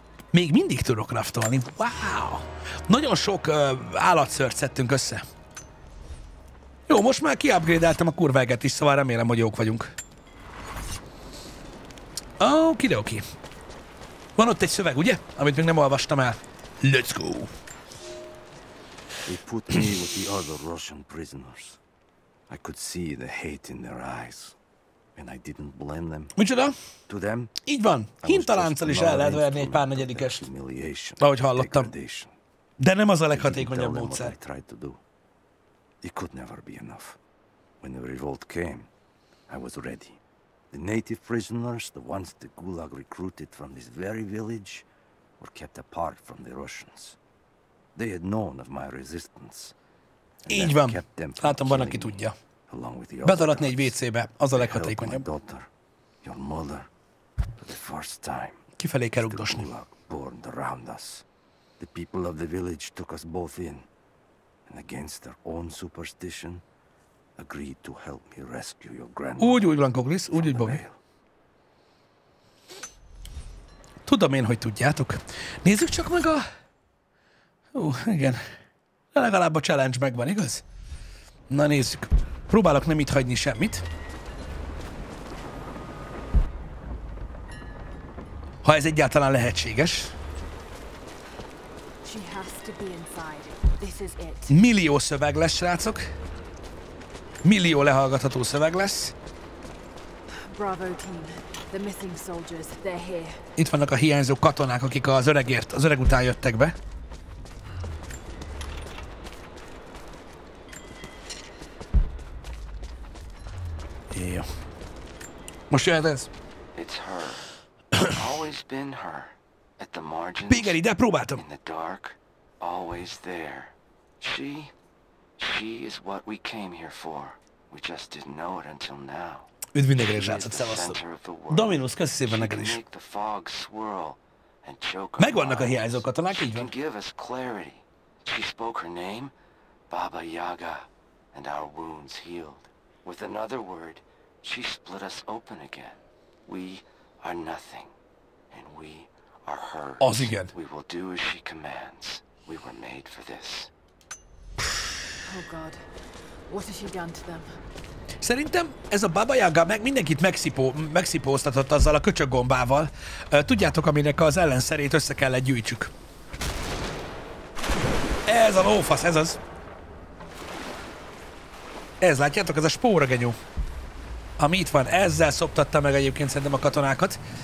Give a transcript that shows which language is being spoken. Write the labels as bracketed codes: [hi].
[hu] Még mindig tudok craftolni. Wow. Nagyon sok állatszört szedtünk össze. Jó, most már kiupgrade-eltem a kurveget is, szóval remélem, hogy jók vagyunk. Okidoki. Van ott egy szöveg, ugye? Amit még nem olvastam el. [en] Let's go. They put me with the other Russian prisoners. I could see the hate in their eyes. And I didn't blame them. [hu] Micsoda? [en] To them? [hu] Így van. Hintalánccal is el lehet verni egy pár negyedikest. Ahogy hallottam. De nem az a leghatékonyabb módszer. [en] It could never be enough. When the revolt came, I was ready. The native prisoners, the ones the Gulag recruited from this very village, were kept apart from the Russians. They had known of my resistance. [hu] Így van. Látom, van, aki tudja. Betaradni egy WC-be, az a leghatékonyabb. [en] Your mother, for the first time. [hu] Kifelé kell ugdosni. [en] The Gulag burned around us. The people of the village took us both in. And against their own superstition, agreed to help me rescue your grandmother. [hu] Úgy Blanco Gris, úgy Bobby. Tudom én, hogy tudjátok. Nézzük csak meg a... igen. De legalább a challenge megvan, igaz? Na nézzük. Próbálok nem itt hagyni semmit. Ha ez egyáltalán lehetséges. [en] She has to be inside. [hu] Millió szöveg lesz, srácok. Millió lehallgatható szöveg lesz. [en] Bravo team. The missing soldiers, they're here. [hu] Itt vannak a hiányzó katonák, akik az öregért, az öreg után jöttek be. Jó. Most jöhet ez. [en] It's her. Always been her. At the margins. [hu] Pégeri, de próbáltam. [en] In the dark, always there. She is what we came here for. We just didn't know it until now. [hu] Üdv mindenkire, srácok, szevasztok. Dominus, köszi szépen neked is. [en] The fog swirl and choke. [hu] Megvannak a hiányzó katonák, így van. [en] She gave us clarity. She spoke her name, Baba Yaga, and our wounds healed. With another word, she split us open again. We are nothing, and we are hers. [hu] Az igen. [en] We will do as she commands. We were made for this. Oh God, what has she done to them? [hu] Szerintem ez a Baba Yaga meg mindenkit megszipóztatott azzal a köcsöggombával. Tudjátok, aminek az ellenszerét össze kellett gyűjtsük. Ez a lófasz, ez az. Ez, látjátok, ez a spóragenyú. Ami itt van, ezzel szoptatta meg egyébként szerintem a katonákat.